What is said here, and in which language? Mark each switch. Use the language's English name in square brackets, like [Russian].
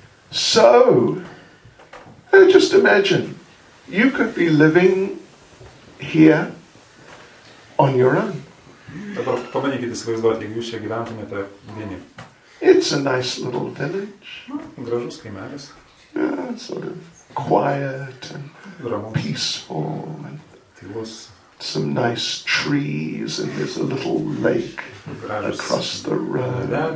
[English] So, just imagine, you could be living here on your own. [Lithuanian] Dabar pabandykite įsivaizduoti, jeigu jūs čia gyventumėte vieni. [English] It's a nice little village. [Lithuanian] Gražus kaimelis. [English] Yeah, sort of quiet and peaceful. [Lithuanian] Tylus. [English] Some nice trees and there's a little lake across the road.